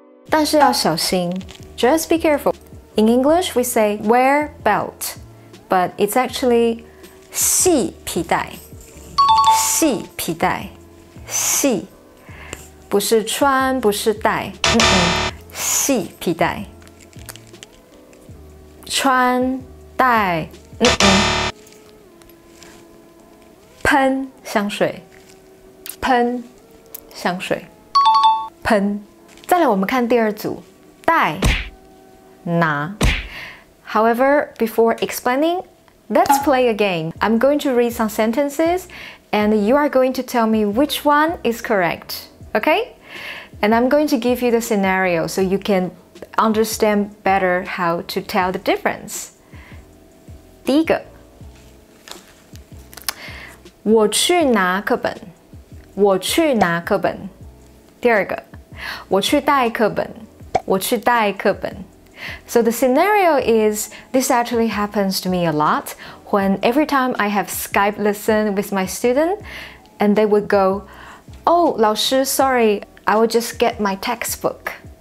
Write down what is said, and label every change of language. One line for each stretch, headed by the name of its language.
Chinese: 但是要小心
English: ，just be careful. In English, we say wear belt, but it's actually
Chinese: 系皮带，系皮带，系，不是穿，不是戴，系皮带，穿戴。喷香水，喷香水，喷。再来，我们看第二组，戴拿。
English: However, before explaining, let's play a game. I'm going to read some sentences, and you are going to tell me which one is correct. Okay? And I'm going to give you the scenario so you can understand better how to tell the difference.
Chinese: 第一个，我去拿课本，我去拿课本。第二个，我去带课本，我去带课本。
English: So the scenario is, this actually happens to me a lot, when every time I have Skype lesson with my student, and they would go, oh, 老师 sorry, I will just get my textbook.